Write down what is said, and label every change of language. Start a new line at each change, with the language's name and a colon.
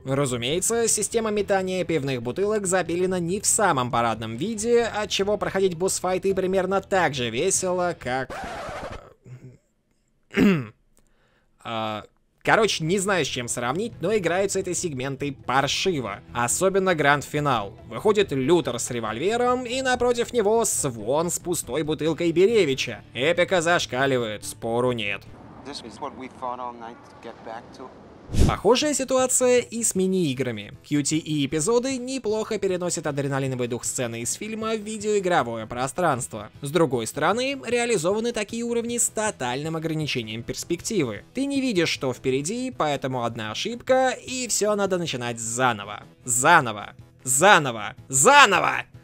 Russian: Разумеется, система метания пивных бутылок запилена не в самом парадном виде, отчего проходить босс-файты примерно так же весело, как... Короче, не знаю, с чем сравнить, но играются эти сегменты паршиво. Особенно гранд-финал. Выходит Лютер с револьвером, и напротив него Свон с пустой бутылкой Беревича. Эпика зашкаливает, спору нет.
English: This is what we fought all night to get back to.
Russian: Похожая ситуация и с мини-играми. QTE-эпизоды неплохо переносят адреналиновый дух сцены из фильма в видеоигровое пространство. С другой стороны, реализованы такие уровни с тотальным ограничением перспективы. Ты не видишь, что впереди, поэтому одна ошибка, и все надо начинать заново. Заново. Заново. Заново!